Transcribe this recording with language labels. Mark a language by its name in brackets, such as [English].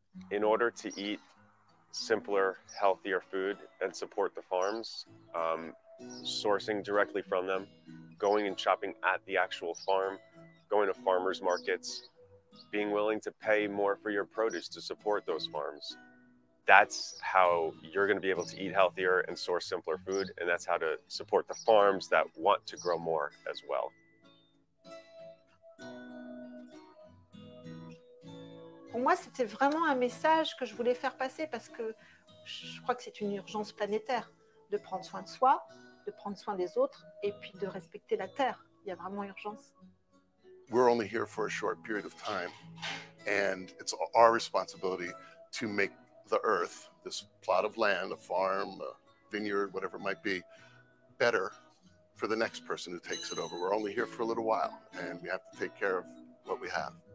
[English] In order to eat simpler, healthier food and support the farms, sourcing directly from them, going and shopping at the actual farm, going to farmers markets, being willing to pay more for your produce to support those farms, that's how you're going to be able to eat healthier and source simpler food. And that's how to support the farms that want to grow more as well. [French] Pour moi, c'était vraiment un message que je voulais faire passer parce que je crois que c'est une urgence planétaire de prendre soin de soi, de prendre soin des autres et puis de respecter la Terre. Il y a vraiment urgence. [English] we're only here for a short period of time, and it's our responsibility to make the earth, this plot of land, a farm, a vineyard, whatever it might be, better for the next person who takes it over. We're only here for a little while, and we have to take care of what we have.